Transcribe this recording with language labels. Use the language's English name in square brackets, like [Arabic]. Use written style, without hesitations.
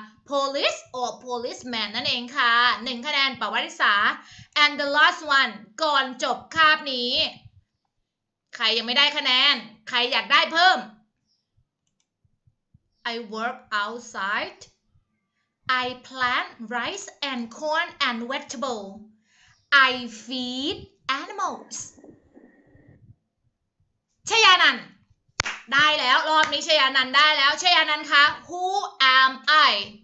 [English] police or policeman [Thai] นั่นเองค่ะ1คะแนนประวัติศาสตร์ [English] and the last one [Thai] ก่อนจบคาบนี้ใครยังไม่ได้คะแนนใครอยากได้เพิ่ม [English] I work outside. I plant rice and corn and vegetable. I feed animals. [Thai] ชยานันท์ได้แล้วรอบนี้ชยานันท์ได้แล้วชยานันท์คะ [English] Who am I?